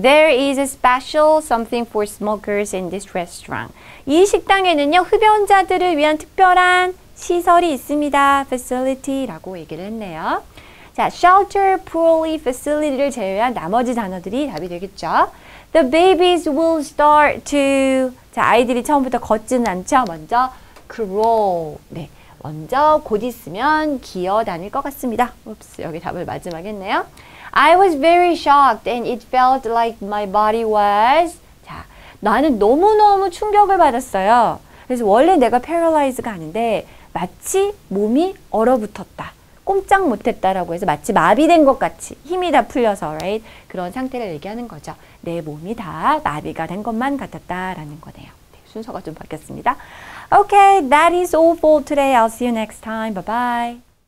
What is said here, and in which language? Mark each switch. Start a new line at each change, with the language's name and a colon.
English: There is a special something for smokers in this restaurant.
Korean: 이 식당에는요, 흡연자들을 위한 특별한 시설이 있습니다. Facility라고 얘기를 했네요. 자, shelter, poorly, facility를 제외한 나머지 단어들이 답이 되겠죠.
English: The babies will start to,
Korean: 자, 아이들이 처음부터 걷지는 않죠. 먼저 crawl, 네, 먼저 곧 있으면 기어 다닐 것 같습니다. 옵스, 여기 답을 마지막에 했네요.
English: I was very shocked and it felt like my body was,
Korean: 자, 나는 너무너무 충격을 받았어요. 그래서 원래 내가 paralyzed가 아닌데 마치 몸이 얼어붙었다. 꼼짝 못했다라고 해서 마치 마비된 것 같이 힘이 다 풀려서 right? 그런 상태를 얘기하는 거죠. 내 몸이 다 마비가 된 것만 같았다라는 거네요. 네, 순서가 좀 바뀌었습니다.
English: Okay, that is all for today. I'll see you next time. Bye-bye.